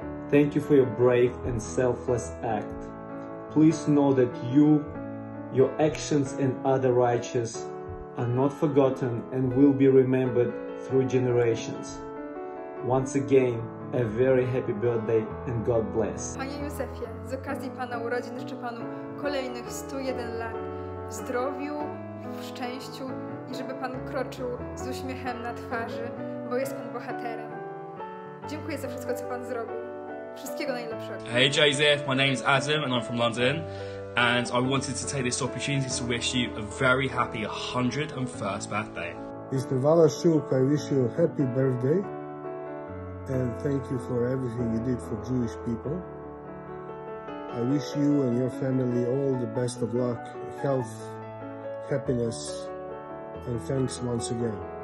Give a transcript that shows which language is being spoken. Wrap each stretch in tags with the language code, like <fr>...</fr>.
<en>Thank you for your brave and selfless act. Please know that you, your actions and other righteous are not forgotten and will be remembered through generations. Once again, a very happy birthday and God bless.</en> <pl>Panie Józefie, z okazji Pana urodzin życzę Panu kolejnych 101 lat w zdrowiu, w szczęściu i żeby Pan kroczył z uśmiechem na twarzy, bo jest Pan bohaterem. Dziękuję za wszystko, co Pan zrobił. Wszystkiego najlepszego.</pl> <en>Hey Joseph, my name is Adam and I'm from London. And I wanted to take this opportunity to wish you a very happy 101st birthday. Mr. Walaszczyk, I wish you a happy birthday. And thank you for everything you did for Jewish people. I wish you and your family all the best of luck, health, happiness, and thanks once again.</en>